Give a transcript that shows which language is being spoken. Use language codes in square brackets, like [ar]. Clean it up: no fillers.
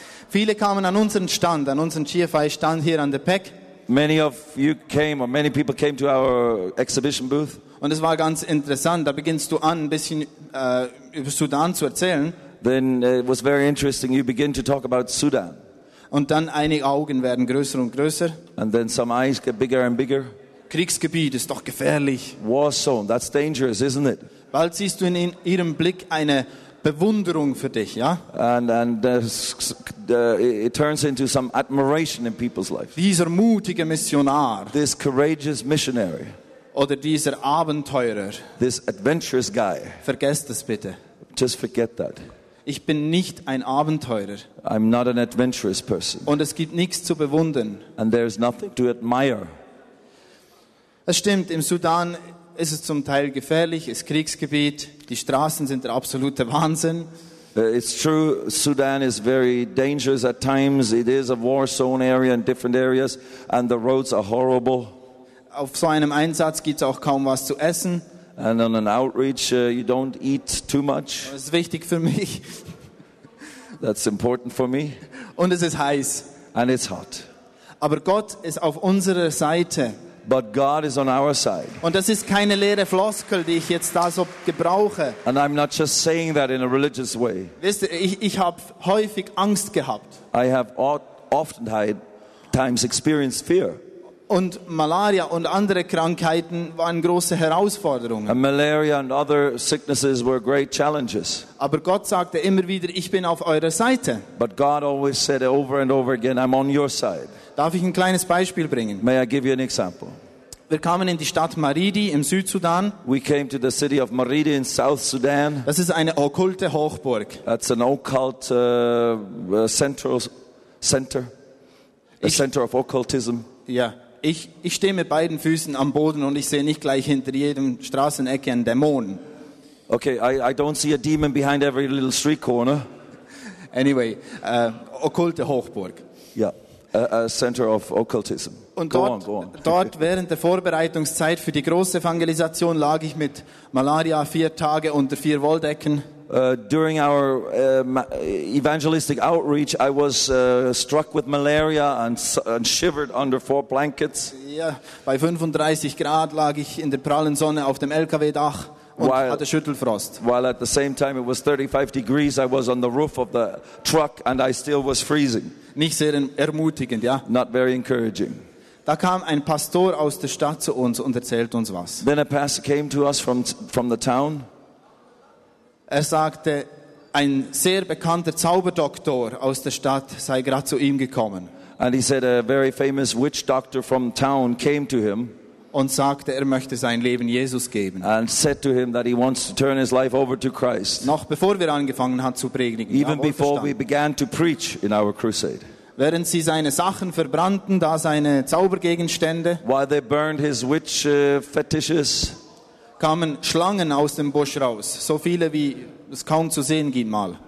[de] Viele kamen an unseren Stand, an unseren GFI-Stand hier an der PEC. [en] Many of you came, or many people came to our exhibition booth. [de] Und es war ganz interessant, da beginnst du an, ein bisschen über Sudan zu erzählen. [en] Then it was very interesting, you begin to talk about Sudan. [de] Und dann einige Augen werden größer und größer. [en] And then some eyes get bigger and bigger. [de] Kriegsgebiet ist doch gefährlich. [en] War zone, that's dangerous, isn't it? [de] Bald siehst du in ihrem Blick eine Bewunderung für dich, ja? [en] And it turns into some admiration in people's life. [de] Dieser mutige Missionar. [en] This courageous missionary. [de] Oder dieser Abenteurer. [en] This adventurous guy. [de] Vergesst das bitte. [en] Just forget that. [de] Ich bin nicht ein Abenteurer. [en] I'm not an adventurous person. [de] Und es gibt nichts zu bewundern. [en] And there's nothing to admire. [de] Es stimmt, im Sudan ist es zum Teil gefährlich, ist Kriegsgebiet, die Straßen sind der absolute Wahnsinn. [en] It's true, Sudan is very dangerous at times. It is a war zone area in different areas and the roads are horrible. [de] Auf so einem Einsatz gibt es auch kaum was zu essen. [en] And on an outreach, you don't eat too much. [de] Das ist wichtig für mich. [en] That's important for me. [de] Und es ist heiß. [en] And it's hot. [de] Aber Gott ist auf unserer Seite. [en] But God is on our side. [de] Und das ist keine leere Floskel, die ich jetzt da so gebrauche. [en] And I'm not just saying that in a religious way. [de] Wisst ihr, ich habe häufig Angst gehabt. [en] I have often times experienced fear. [de] Und Malaria und andere Krankheiten waren große Herausforderungen. [en] And malaria and other sicknesses were great challenges. [de] Aber Gott sagte immer wieder, ich bin auf eurer Seite. [en] But God always said over and over again, I'm on your side. [de] Darf ich ein kleines Beispiel bringen? [en] May I give you an example? [de] Wir kamen in die Stadt Maridi im Südsudan. [en] We came to the city of Maridi in South Sudan. [de] Das ist eine okkulte Hochburg. [en] That's an occult center of occultism. Ja. Yeah. [de] Ich stehe mit beiden Füßen am Boden und ich sehe nicht gleich hinter jedem Straßenecke einen Dämon. [en] Okay, I don't see a demon behind every little street corner. Anyway, [de] okkulte Hochburg. Ja, [en] yeah, a center of occultism. [de] Und [en] go [de] dort, [en] on, go on. [de] Dort während der Vorbereitungszeit für die große Evangelisation lag ich mit Malaria 4 Tage unter 4 Wolldecken. [en] During our evangelistic outreach, I was struck with malaria and shivered under 4 blankets. [de] Yeah, bei 35 Grad lag ich in der prallen Sonne auf dem LKW-Dach und hatte Schüttelfrost. [en] While at the same time it was 35 degrees, I was on the roof of the truck and I still was freezing. [de] Nicht sehr ermutigend, ja? [en] Not very encouraging. [de] Da kam ein Pastor aus der Stadt zu uns und erzählt uns was. [en] Then a pastor came to us from the town. [de] Er sagte, ein sehr bekannter Zauberdoktor aus der Stadt sei gerade zu ihm gekommen. [en] And he said a very famous witch doctor from town came to him. [de] Und sagte, er möchte sein Leben Jesus geben. [en] And said to him that he wants to turn his life over to Christ. [de] Noch bevor wir angefangen haben zu predigen. [en] Even before we began to preach in our crusade. [de] Während sie seine Sachen verbrannten, da seine Zaubergegenstände. [en] While they burned his witch fetishes. [de] Kamen Schlangen aus dem Busch raus, so viele wie es kaum zu sehen ging mal.